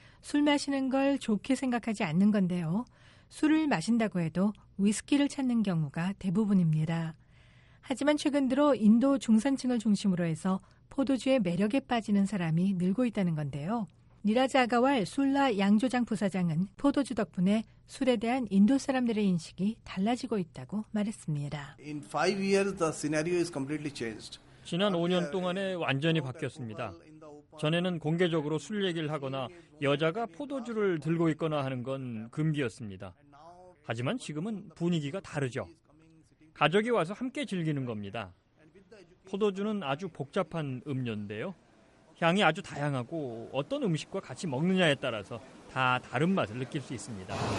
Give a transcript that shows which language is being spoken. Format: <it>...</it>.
<ko>술 마시는 걸 좋게 생각하지 않는 건데요. 술을 마신다고 해도 위스키를 찾는 경우가 대부분입니다. 하지만 최근 들어 인도 중산층을 중심으로 해서 포도주의 매력에 빠지는 사람이 늘고 있다는 건데요. 니라자 아가왈 술라 양조장 부사장은 포도주 덕분에 술에 대한 인도 사람들의 인식이 달라지고 있다고 말했습니다.</ko> <en>In five years, the scenario is completely changed.</en> <ko>지난 5년 동안에 완전히 바뀌었습니다. 전에는 공개적으로 술 얘기를 하거나 여자가 포도주를 들고 있거나 하는 건 금기였습니다. 하지만 지금은 분위기가 다르죠. 가족이 와서 함께 즐기는 겁니다. 포도주는 아주 복잡한 음료인데요. 향이 아주 다양하고 어떤 음식과 같이 먹느냐에 따라서 다 다른 맛을 느낄 수 있습니다.</ko>